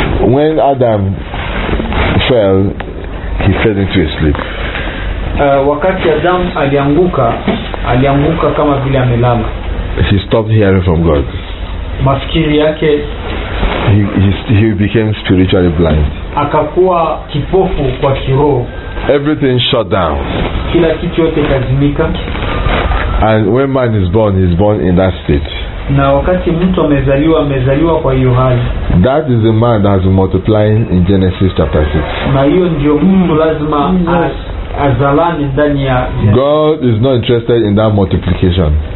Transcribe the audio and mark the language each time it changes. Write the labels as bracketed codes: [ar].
[en] When Adam fell, he fell into a sleep. [sw] Wakati Adam alianguka kama vile amelala. [en] He stopped hearing from God. [sw] Mafikiri yake, [en] he became spiritually blind. [sw] Akakuwa kipofu kwa kiroho. [en] Everything shut down. [sw] Kila kitu yote kazimika. [en] And when man is born, he's born in that state. [sw] Na wakati mtu amezaliwa kwa hiyo hali. [en] That is the man that has been multiplying in Genesis chapter 6. [sw] Na hiyo ndio mtu lazima azalani ndani ya. [en] God is not interested in that multiplication.